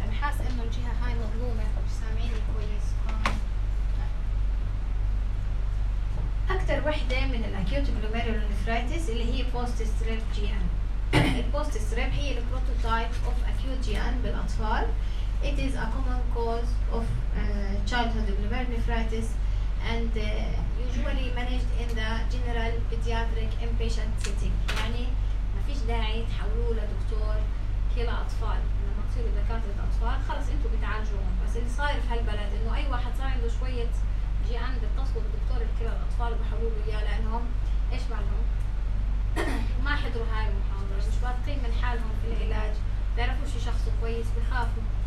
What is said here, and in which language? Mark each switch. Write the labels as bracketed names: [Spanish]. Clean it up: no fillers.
[Arabic] انا حاس انه الجهة هاي مظلومة، سامعيني كويس. اكتر وحدة من الاكيوت جلوميرولونفرايتس اللي هي بوست ستريب جي ان. [English] البوست ستريب هي البروتوتايب اوف اكيوت جي ان بالاطفال. It is a common cause of childhood glomerulonephritis and usually managed in the general pediatric inpatient setting. [Arabic] يعني ما فيش داعي تحولوه لدكتور كلى اطفال، لما تصيروا دكاترة اطفال خلص انتوا بتعالجوهم. بس اللي صاير في هالبلد انه اي واحد صار عنده شوية جي ان بيتصلوا بدكتور كلى الاطفال بحولوه اياه، لانهم ايش معلهم؟ ما حضروا هاي المحاضرة، مش واثقين من حالهم في العلاج، بيعرفوش شخصه كويس، بخافوا.